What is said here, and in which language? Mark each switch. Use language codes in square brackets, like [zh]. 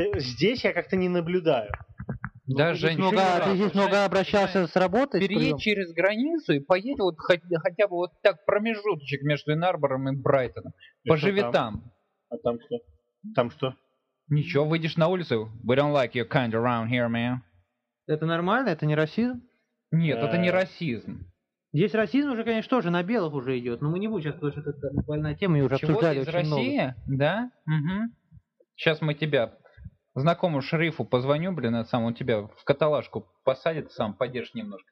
[ru] Здесь я как-то не наблюдаю. Да, ну, Жень, ты здесь много обращался с работой? Переедь через границу и поедь вот хотя бы вот так промежуточек между Инарбором и Брайтоном. И поживи там. А там что? Там что? Ничего, выйдешь на улицу. [en] We don't like your kind around here, man. [ru] Это нормально? Это не расизм? Нет, это не расизм. Здесь расизм уже, конечно, тоже на белых уже идет. Но мы не будем сейчас, потому что это больная тема. Чего ты из России? Да? Угу. Сейчас мы тебя... Знакомому шерифу позвоню, блин, это сам он тебя в каталажку посадит, сам подержит немножко.